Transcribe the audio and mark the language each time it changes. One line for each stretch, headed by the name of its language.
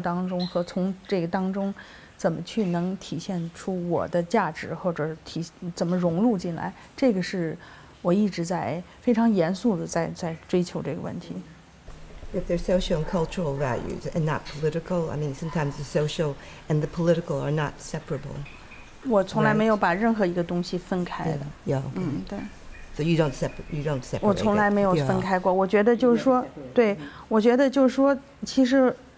Chinese: 从材料当中和从这个当中。怎么去能体现出我的价值，或者怎么融入进来，这个是我一直在非常严肃的在追求这个问题。
English: If they're social and cultural values and not political, I mean, sometimes the social and the political are not separable.
Chinese: 我从来没有把任何一个东西分开的。对。
English: So you don't separate. You don't separate.
Chinese: 我从来没有分开过。我觉得就是说，对，我觉得就是说，其实。